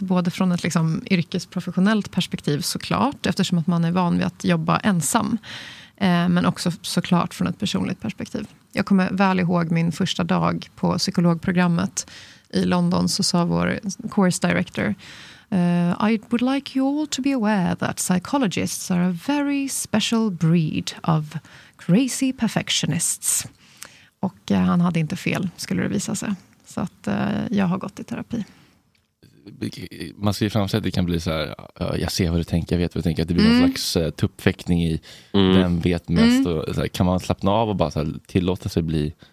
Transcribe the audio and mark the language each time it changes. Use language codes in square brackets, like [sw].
[sv] Både från ett liksom, yrkesprofessionellt perspektiv såklart. Eftersom att man är van vid att jobba ensam. Men också såklart från ett personligt perspektiv. Jag kommer väl ihåg min första dag på psykologprogrammet i London. Så sa vår [en] course director... I would like you all to be aware that psychologists are a very special breed of crazy perfectionists. [sv] Och han hade inte fel, skulle det visa sig. Så att jag har gått i terapi. Man ser framför sig att det kan bli så här, jag ser vad du tänker, jag vet vad du tänker. Det blir någon slags tuppfäktning i vem vet mest. Mm. Och så här, kan man slappna av och bara så här, tillåta sig bli...